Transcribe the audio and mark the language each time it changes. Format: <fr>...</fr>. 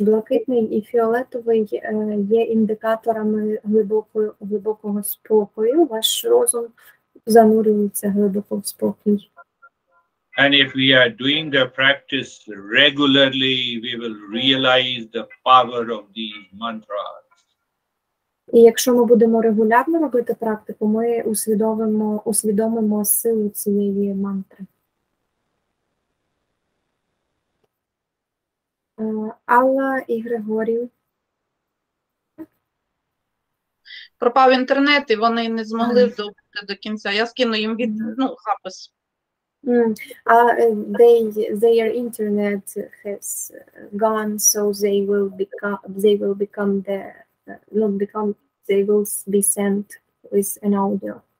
<uk>Блакитний і фіолетовий є індикаторами глибокого спокою. Ваш розум занурюється глибоко в спокій.</uk> <en>And if we are doing the practice regularly, we will realize the power of these mantras.</en> <uk>І якщо ми будемо регулярно робити практику, ми усвідомимо силу цієї мантри. Алла і Григорій. Пропав інтернет, і вони не змогли вдобути до кінця. Я скину їм від, запис.</uk> <en>Their internet has gone, so they will be sent with an audio.</en>